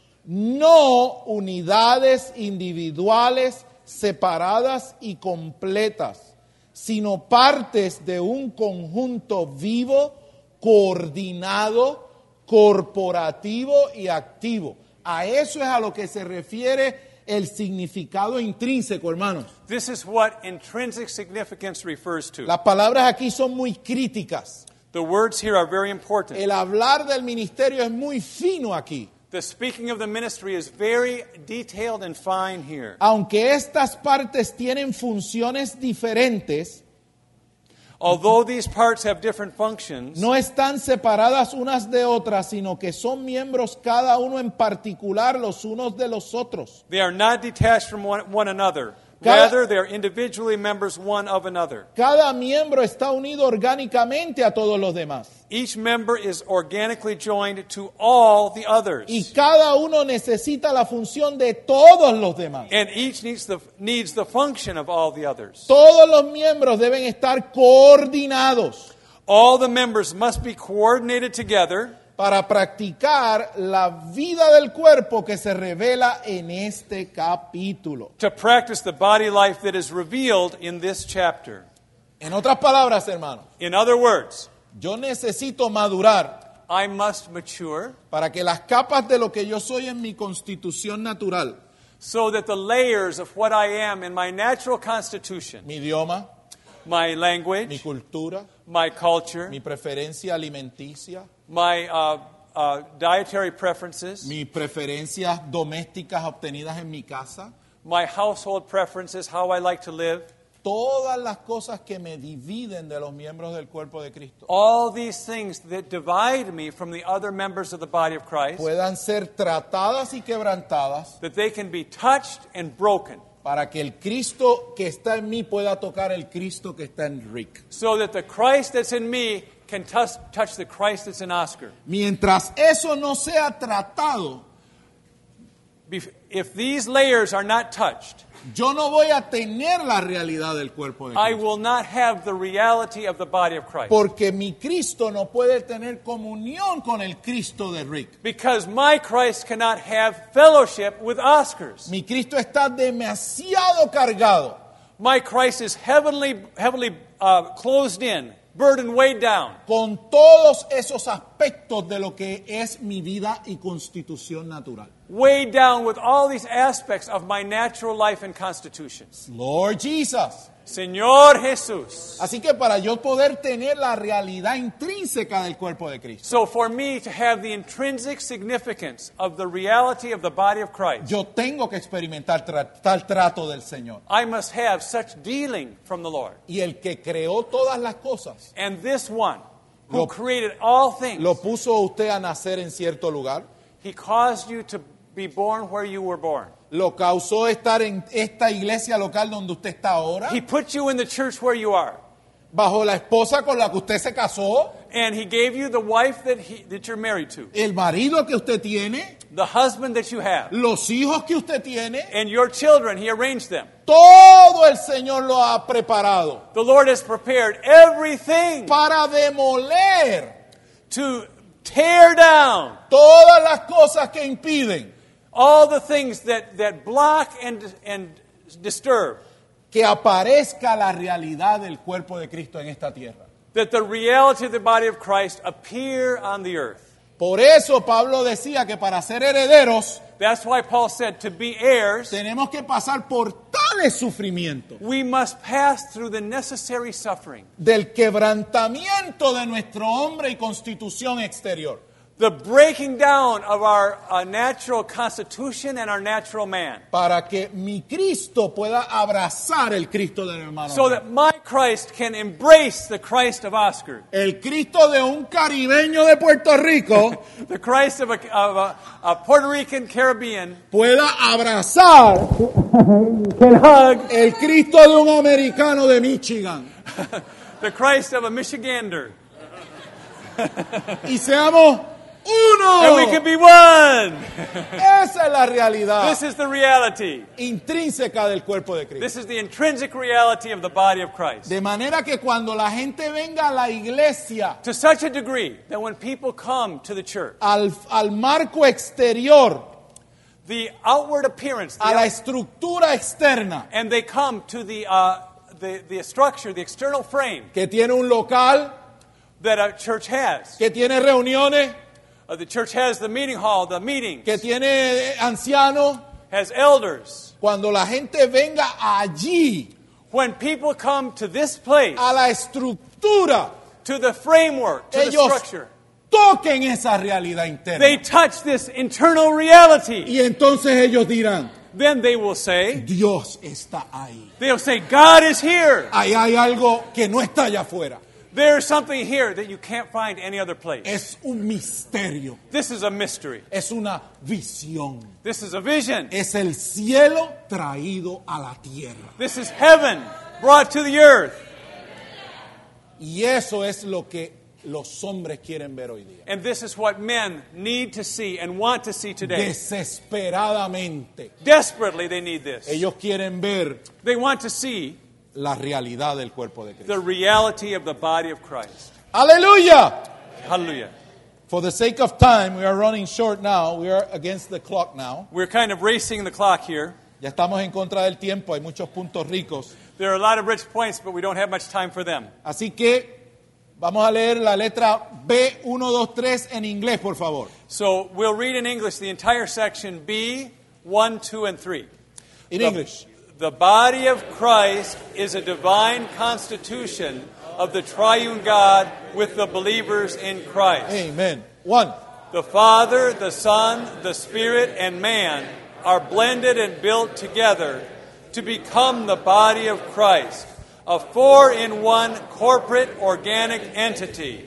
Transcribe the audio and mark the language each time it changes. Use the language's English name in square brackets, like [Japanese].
[Spanish] No unidades individuales, separadas y completas, sino partes de un conjunto vivo, coordinado, corporativo y activo. A eso es a lo que se refiere el significado intrínseco, hermanos. [English] This is what intrinsic significance refers to. [Spanish] Las palabras aquí son muy críticas. [English] The words here are very important. [Spanish] El hablar del ministerio es muy fino aquí. [English] The speaking of the ministry is very detailed and fine here. [Spanish] Aunque estas partes tienen funciones diferentes, [English] although these parts have different functions, [Spanish] no están separadas unas de otras, sino que son miembros cada uno en particular los unos de los otros. [English] They are not detached from one another. Rather, they are individually members one of another. [Spanish] Cada miembro está unido orgánicamente a todos los demás. [English] Each member is organically joined to all the others. [Spanish] Y cada uno necesita la función de todos los demás. [English] And each needs the function of all the others. [Spanish] Todos los miembros deben estar coordinados. [English] All the members must be coordinated together [Spanish] para practicar la vida del cuerpo que se revela en este capítulo. [English] To practice the body life that is revealed in this chapter. [Spanish] En otras palabras, hermano. [English] In other words, [Spanish] yo necesito madurar. [English] I must mature. [Spanish] Para que las capas de lo que yo soy en mi constitución natural. [English] So that the layers of what I am in my natural constitution. [Spanish] Mi idioma. [English] My language. [Spanish] Mi cultura. [English] My culture. [Spanish] Mi preferencia alimenticia. [English] My dietary preferences. [Spanish] Mis preferencias domésticas obtenidas en mi casa. [English] My household preferences, how I like to live. [Spanish] Todas las cosas que me dividen de los miembros del cuerpo de Cristo. [English] All these things that divide me from the other members of the body of Christ. [Spanish] Puedan ser tratadas y quebrantadas. [English] That they can be touched and broken. [Spanish] Para que el Cristo que está en mí pueda tocar el Cristo que está en Rick. [English] So that the Christ that's in me can touch the Christ that's in Oscar. [Spanish] Mientras eso no sea tratado, [English] if these layers are not touched, [Spanish] yo no voy a tener la realidad del cuerpo de Cristo. [English] I will not have the reality of the body of Christ. [Spanish] Porque mi Cristo no puede tener comunión con el Cristo de Rick. [English] Because my Christ cannot have fellowship with Oscar's. [Spanish] Mi Cristo está demasiado cargado. [English] My Christ is heavily closed in. Burden weighed down. [Spanish] Con todos esos aspectos de lo que es mi vida y constitución natural. [English] Weighed down with all these aspects of my natural life and constitution. Lord Jesus. [Spanish] Señor Jesús. Así que para yo poder tener la realidad intrínseca del cuerpo de Cristo. [English] So for me to have the intrinsic significance of the reality of the body of Christ. [Spanish] Yo tengo que experimentar tal trato del Señor. [English] I must have such dealing from the Lord. [Spanish] Y el que creó todas las cosas. [English] And this one. who created all things. [Spanish] Lo puso usted a nacer en cierto lugar. [English] He caused you to be born where you were born. [Spanish] Lo causó estar en esta iglesia local donde usted está ahora. [English] He put you in the church where you are. [Spanish] Bajo la esposa con la que usted se casó. [English] And he gave you the wife that that you're married to. [Spanish] El marido que usted tiene. [English] The husband that you have. [Spanish] Los hijos que usted tiene. [English] And your children, he arranged them. [Spanish] Todo el Señor lo ha preparado. [English] The Lord has prepared everything. [Spanish] Para demoler. [English] To tear down. [Spanish] Todas las cosas que impiden. [English] All the things that block and disturb. [Spanish] Que aparezca la realidad del cuerpo de Cristo en esta tierra. [English] That the reality of the body of Christ appear on the earth. [Spanish] Por eso Pablo decía que para ser herederos, [English] that's why Paul said to be heirs, [Spanish] tenemos que pasar por tales sufrimientos. [English] We must pass through the necessary suffering. [Spanish] Del quebrantamiento de nuestro hombre y constitución exterior. [English] The breaking down of our natural constitution and our natural man. [Spanish] Para que mi Cristo pueda abrazar el Cristo del hermano. [English] So that my Christ can embrace the Christ of Oscar. [Spanish] El Cristo de un caribeño de Puerto Rico. [English] The Christ of a Puerto Rican Caribbean. [Spanish] Pueda abrazar. [English] Can hug. [Spanish] El Cristo de un americano de Michigan. [English] The Christ of a Michigander. [Spanish] Y seamos uno. [English] And we can be one. [Spanish] Esa es la realidad. [English] This is the reality. [Spanish] Intrínseca del cuerpo de Cristo. [English] This is the intrinsic reality of the body of Christ. [Spanish] De manera que cuando la gente venga a la iglesia, [English] to such a degree that when people come to the church, [Spanish] al marco exterior, [English] the outward appearance, [Spanish] a la estructura externa, [English] and they come to the structure, the external frame, [Spanish] que tiene un local, [English] that a church has, [Spanish] que tiene reuniones. [English] The church has the meeting hall, the meetings. [Spanish] Que tiene anciano, [English] has elders. [Spanish] Cuando la gente venga allí, [English] when people come to this place, [Spanish] a la estructura, [English] to the framework, to [Spanish] ellos [English] the structure, [Spanish] toquen esa realidad interna. [English] They touch this internal reality. [Spanish] Y entonces ellos dirán, [English] then they will say, [Spanish] Dios está ahí. [English] They'll say, God is here. [Spanish] Ahí hay algo que no está allá afuera. [English] There's something here that you can't find any other place. [Spanish] Es un misterio. [English] This is a mystery. [Spanish] Es una visión. [English] This is a vision. [Spanish] Es el cielo traído a la tierra. [English] This is heaven brought to the earth. [Spanish] Y eso es lo que los hombres quieren ver hoy día. [English] And this is what men need to see and want to see today. [Spanish] Desesperadamente. [English] Desperately they need this. [Spanish] Ellos quieren ver. [English] They want to see. [Spanish] La realidad del cuerpo de Cristo. [English] The reality of the body of Christ. [Spanish] Aleluya. [English] Hallelujah. For the sake of time, we are running short now. We are against the clock now. We're kind of racing the clock here. [Spanish] Ya estamos en contra del tiempo. Hay muchos puntos ricos. [English] There are a lot of rich points, but we don't have much time for them. [Spanish] Así que vamos a leer la letra B, 1, 2, 3 en inglés, por favor. [English] So we'll read in English the entire section B, 1, 2, and 3. In English. The body of Christ is a divine constitution of the triune God with the believers in Christ. Amen. One. The Father, the Son, the Spirit, and man are blended and built together to become the body of Christ, a four-in-one corporate organic entity.